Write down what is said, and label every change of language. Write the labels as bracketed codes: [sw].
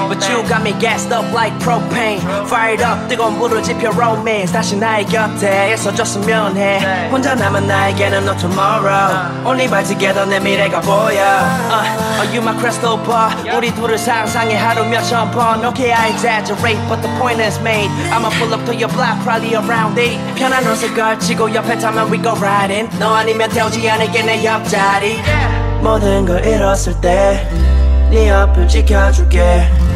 [en] But you got me gassed up like propane. Fired up, [ko] 뜨거운 물을 집혀 romance. 다시 나의 곁에 있어줬으면 해. 혼자 남은 나에게는 [en] no tomorrow. Only by together [ko] 내 미래가 보여. [en] Are you my crystal ball? [ko] 우리 둘을 상상해 하루 몇천 번. [en] Okay, I exaggerate, but the point is made. I'ma pull up to your block, probably around 8. [ko] 편한 옷을 걸치고 옆에 타면 [en] we go riding. [ko] 너 아니면 태우지 않을게 내 옆자리. 모든 걸 잃었을 때 네 옆을 지켜줄게.